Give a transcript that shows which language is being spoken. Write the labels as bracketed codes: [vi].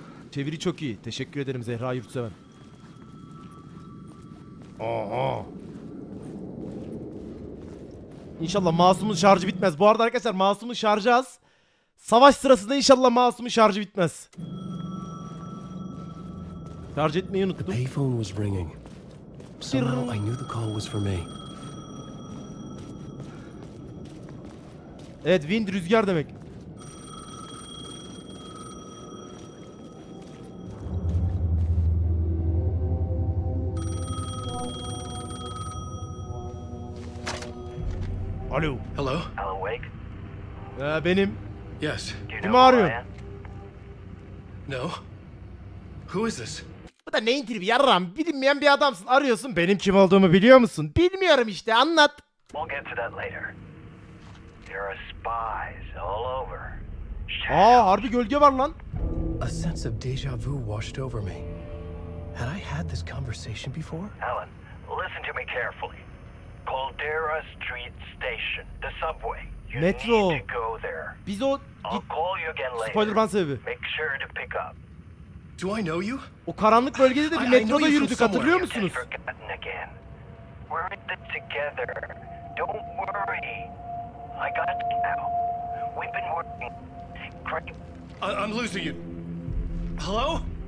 [tr] Çeviri çok iyi. Teşekkür ederim Zehra Yurtseven. Aha. İnşallah masumun şarjı bitmez. Bu arada arkadaşlar masumun şarjı az. Savaş sırasında inşallah masumun şarjı bitmez. Şarj etmeyi unuttum. [en] The payphone was ringing. Somehow I knew the call was for me. [tr] Evet, wind rüzgar demek. Alo. [en] Hello. Hello, Wake. [tr] Benim. [en] Yes. [tr] Kim arıyor? [en] No. Who is this? [tr] Bu da neyin tribi yarram? Bilinmeyen bir adamsın. Arıyorsun. Benim kim olduğumu biliyor musun? Bilmiyorum işte. Anlat. [en] We'll get to that later. There are spies all over. [tr] Aa, harbi gölge var lan. [en] A sense of deja vu washed over me. Had I had this conversation before? Alan, listen to me carefully. Caldera Street Station, the subway. You [tr] metro. [en] Need to go there. [tr] Biz o. [en] I'll call you again later. [tr] Spider-Man sebebi. [en] Make sure to pick up. Do I know you? [tr] O karanlık bölgede de bir metroda yürüdük, hatırlıyor musunuz? [en] We're in this together. Don't worry. I got you. We've been working. Great. I'm losing you. Hello?